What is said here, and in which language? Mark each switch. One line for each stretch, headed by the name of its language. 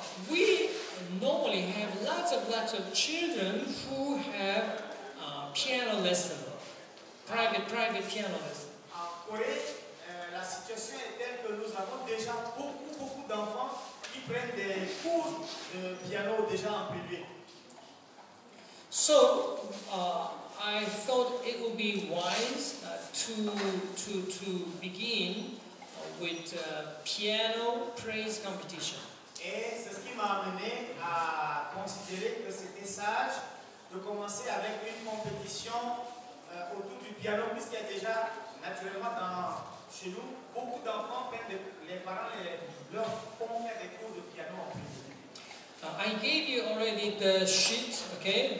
English: We normally have lots of children who have piano lessons. Private piano lesson.
French: En Corée, la situation est telle que nous avons déjà beaucoup d'enfants qui prennent des cours de piano déjà en privé.
English: So, I thought it would be wise to begin with piano praise competition.
French: Et c'est ce qui m'a amené à considérer que c'était sage de commencer avec une compétition autour du piano, puisqu'il y a déjà naturellement chez nous beaucoup d'enfants, les parents leur font faire des cours de piano en privé.
English: I gave you already the sheet, okay?